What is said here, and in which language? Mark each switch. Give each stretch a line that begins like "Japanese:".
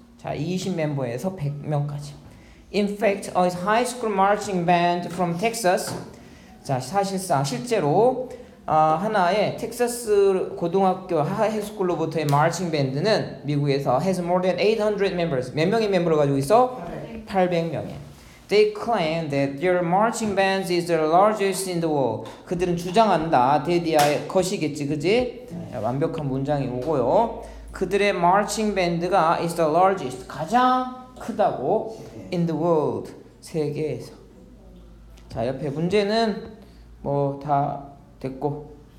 Korean: 자, 20멤버에서 100명까지.
English: In fact, a high school marching band from Texas.
Korean: 자, 사실상 실제로 하나의 텍사스 고등학교 하이스쿨로부터의 마칭 밴드는 미국에서
English: has more than 800 members.
Korean: 몇 명의 멤버를 가지고 있어? 800명의.
English: They claim that their marching band is the largest in the world.
Korean: 그들은 주장한다. 대디아의 것이겠지, 그지? 네. 완벽한 문장이 오고요. 그들의 마칭 밴드가
English: is the largest,
Korean: 가장 크다고.
English: In the world,
Korean: 세계에서. 자, 옆에 문제는 뭐 다 됐고.